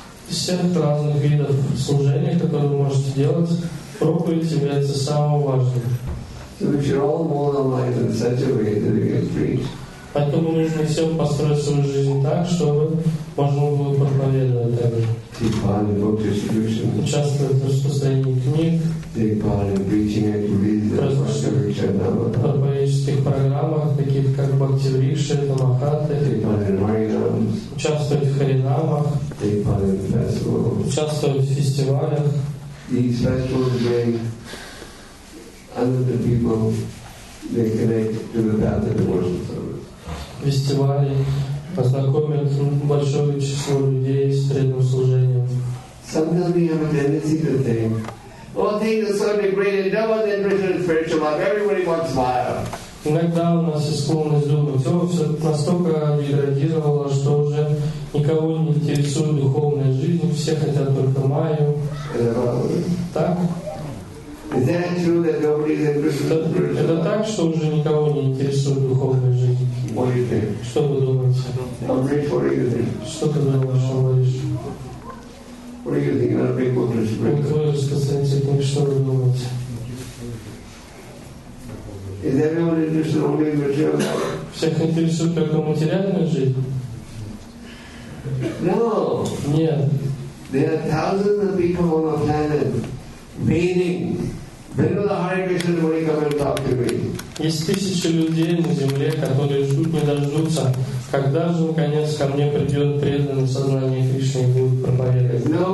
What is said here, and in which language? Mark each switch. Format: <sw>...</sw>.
<ru>Из всех разных видов служения, которые вы можете делать, проповедь является самым важным.</ru> <en>So we should all mold our life in such a way that we can preach.</en> <ru>Поэтому нужно все построить свою жизнь так, чтобы можно было проповедовать также.</ru> <en>Take part in book distribution.</en> <ru>Участвовать в распространении книг.</ru> <en>Take part in preaching activities like</en> <ru>проповедческих программах, таких как Бхакти Вриши, Тамахаты.</ru> <en>Take part in Харинамс.</en> <ru>Участвовать в Харинамах.</ru> <en>Take part in festivals.</en> <ru>Участвовать в фестивалях.</ru> <en>These festivals bring other people, they connect to the path of devotion service.</en> <ru>Фестивали познакомят большое число людей с преданным служением.</ru> <en>Sometimes we have a tendency to think, oh, things are so degraded, no one's interested in spiritual life, everybody wants fire.</en> <ru>Иногда у нас есть склонность думать, о, все настолько деградировало, что уже никого не интересует духовная жизнь, все хотят только майю. Так?</ru> <en>Is that true that nobody's interested in spiritual</en> <ru>life? Это так, что уже никого не интересует духовная жизнь?</ru> <en>What do you think?</en> <ru>Что вы думаете?</ru> <en>What do you think?</en> <ru>Что ты думаешь,</ru> <en>Владимир? What do you think?</en> <ru>Вы тоже сказали, что вы думаете?</ru> <en>Is everyone interested only in material life?</en> <ru>Всех интересует только материальная жизнь?</ru> <en>No.</en> <ru>Нет.</ru> <en>There are thousands of people on the planet waiting. When will the Hare Krishna devotee come and talk to me?</en> <ru>Есть тысячи людей на земле, которые ждут, не дождутся, когда же, наконец, ко мне придет преданный сознание Кришны и будет проповедовать.</ru>